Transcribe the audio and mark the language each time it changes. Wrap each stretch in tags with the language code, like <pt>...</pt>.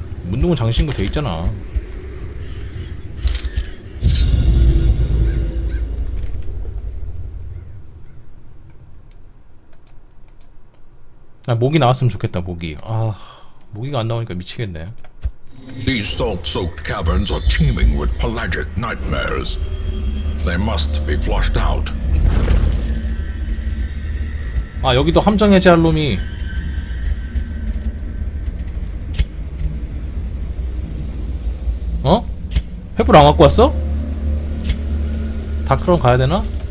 <ko>문둥은 장신구 돼 있잖아. 아, 모기 나왔으면 좋겠다. 모기. 아, 모기가 안 나오니까 미치겠네.</ko> <en>These salt-soaked caverns are teeming with pelagic nightmares. They must be flushed out.</en> <ko>아, 여기도 함정 해제할 놈이. 어? 횃불 안 갖고 왔어? 다크론 가야 되나?</ko>